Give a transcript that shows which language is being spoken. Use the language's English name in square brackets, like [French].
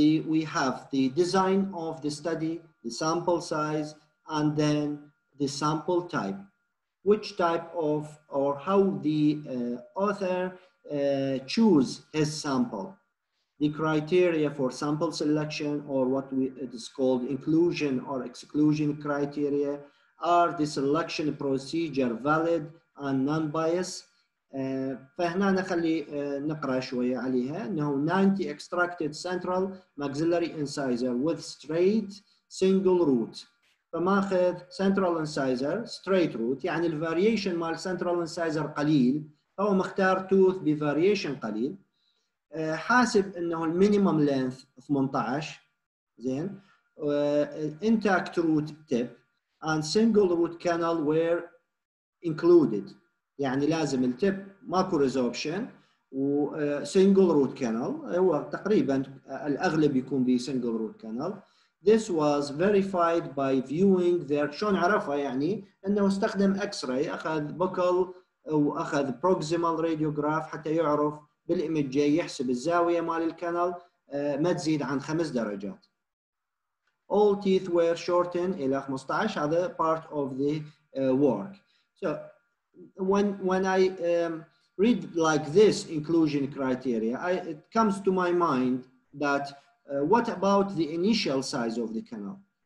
[English] We have the design of the study, the sample size, and then the sample type, which type of, or how the author choose his sample, the criteria for sample selection, or what it is called inclusion or exclusion criteria. Are the selection procedure valid and non-biased? [Arabic] فهنا نخلي نقرأ شوية عليها. [English] No, 90 extracted central maxillary incisor with straight single root. [Arabic] فماخذ central incisor, straight root, يعني ال variation مال central incisor قليل. هو مختار tooth بvariation قليل. حاسب انه المينيمم length 18. زين. [English] Intact root tip and single root canal were included. [Arabic] يعني لازم التب ماكو resorption و single root canal. هو تقريبا الأغلب يكون بي single root canal. [English] This was verified by viewing their, [Arabic] شون عرفها يعني انه استخدم X-ray, اخذ بوكل واخذ proximal radiograph حتى يعرف بالإمج جي يحسب الزاوية مال الكنال ما تزيد عن 5 درجات. [English] All teeth were shortened [Arabic] إلى 15, هذا [English] part of the work. So when I read like this inclusion criteria, it comes to my mind that what about the initial size of the canal?